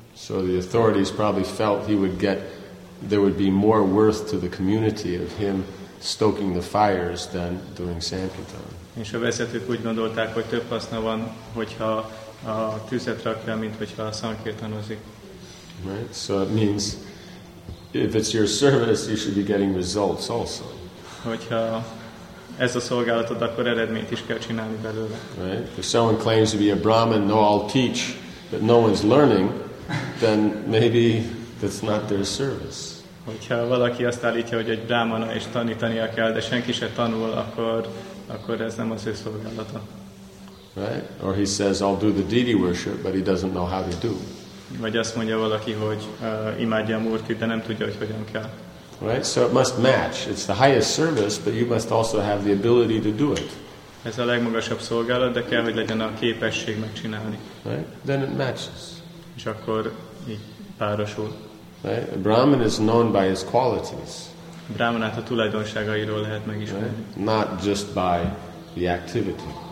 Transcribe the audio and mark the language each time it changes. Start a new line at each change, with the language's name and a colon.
English: So the authorities probably felt he would get, there would be more worth to the community of him stoking the fires than doing Sankirtan.
Hungarian: És a vezetők úgy gondolták, hogy több haszna van, hogyha a tüzet rakja, mint hogyha a szankirtanozik.
English: Right? So it means if it's your service, you should be getting results also.
Hungarian: Hogyha ez a szolgálatod, akkor eredményt is kell csinálni belőle.
English: Right? If someone claims to be a Brahmin, no, I'll teach, but no one's learning, then maybe that's not their service.
Hungarian: Hogyha valaki azt állítja, hogy egy brámana és tanítania kell, de senki se tanul, akkor ez nem az ő szolgálata.
English: Right? Or he says, I'll do the deity worship, but he doesn't know how to do.
Hungarian: Vagy azt mondja valaki, hogy imádja a murtit, de nem tudja, hogy hogyan kell.
English: Right? So it must match. It's the highest service, but you must also have the ability to do it.
Hungarian: Ez a legmagasabb szolgálat, de kell, hogy legyen a képesség megcsinálni.
English: Right? Then it matches.
Hungarian: És akkor így párosul.
English: Right? A Brahmin is known by his qualities.
Hungarian: Brahmanát a tulajdonságairól lehet megismerni.
English: Right? Not just by the activity.